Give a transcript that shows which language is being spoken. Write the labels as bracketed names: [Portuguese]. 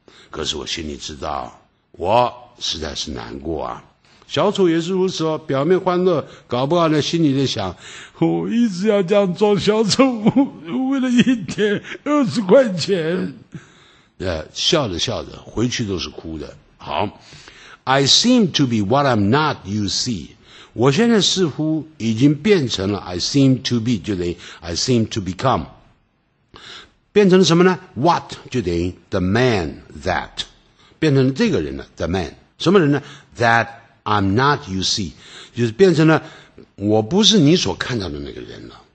[Chinese] 可是我心里知道，我实在是难过啊。小丑也是如此哦，表面欢乐，搞不好呢心里在想，我一直要这样装小丑，为了一天20块钱。笑着笑着回去都是哭的。好， [English] I seem to be what I'm not, you see。 [Chinese] 我现在似乎已经变成了 [English] I seem to be [Chinese] 就等于 [English] I seem to become， [Chinese] 变成了什么呢？ [English] What [Chinese] 就等于 [English] the man that， [Chinese] 变成了这个人了， [English] the man [Chinese] 什么人呢？ [English] That I'm not, you see， [Chinese] 就是变成了我不是你所看到的那个人了。